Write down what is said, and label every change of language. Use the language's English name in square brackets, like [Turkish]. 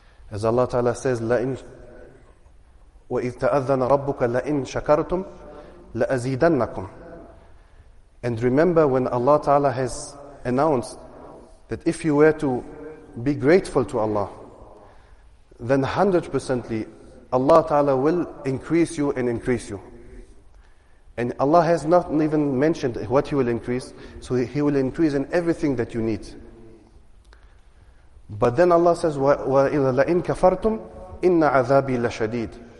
[English] As Allah Ta'ala says, [Arabic] وَإِذْ تَأَذَّنَ رَبُّكَ لَإِنْ شَكَرْتُمْ لَأَزِيدَنَّكُمْ. [English] And remember when Allah Ta'ala has announced that if you were to be grateful to Allah, then 100% Allah Ta'ala will increase you. And Allah has not even mentioned what He will increase, so He will increase in everything that you need. But then Allah says, [Arabic] وَإِذَا لَإِنْ كَفَرْتُمْ إِنَّ عَذَابِي لَشَدِيدٌ.